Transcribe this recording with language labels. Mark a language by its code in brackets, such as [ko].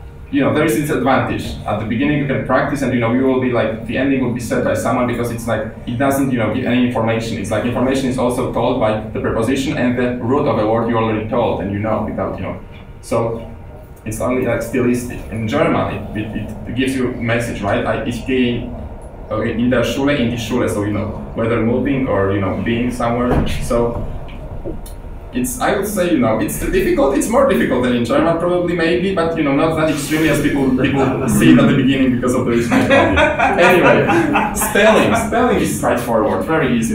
[en] you know, there is this advantage. At the beginning you can practice and, you know, you will be like, the ending will be said by someone, because it's like, it doesn't, you know, give any information. It's like information is also told by the preposition and the root of a word you already told and you know without, you know. So it's only like stylistic. In German, it gives you a message, right? [de] Like, ich gehe in der Schule, in die Schule. [en] So, you know, whether moving or, you know, being somewhere. So it's, I would say, you know, it's difficult, it's more difficult than in German probably, maybe, but, you know, not that extremely as people see it at the beginning because of the original problem. Anyway, spelling is straightforward, very easy.